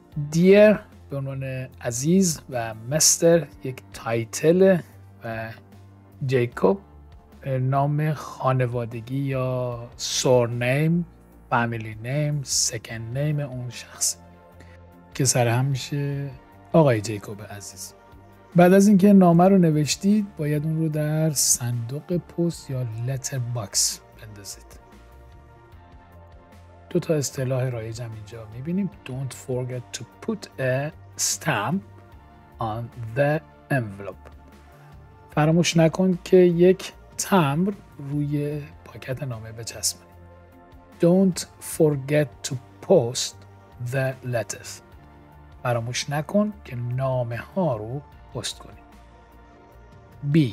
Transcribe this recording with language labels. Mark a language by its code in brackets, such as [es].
[fa] دیر به عنوان عزیز و مستر یک تایتل و جیکوب نام خانوادگی یا سورنیم، فامیلی نیم، سکند نیم اون شخص که سرهم میشه آقای جیکوب عزیز. بعد از اینکه نامه رو نوشتید باید اون رو در صندوق پست یا لتر باکس بندازید. دو تا اصطلاح رایج هم اینجا میبینیم. [en] Don't forget to put a stamp on the envelope. [fa] فراموش نکن که یک تمبر روی پاکت نامه بچسبونی. [en] Don't forget to post the letters. [fa] فراموش نکن که نامه ها رو پست کنی.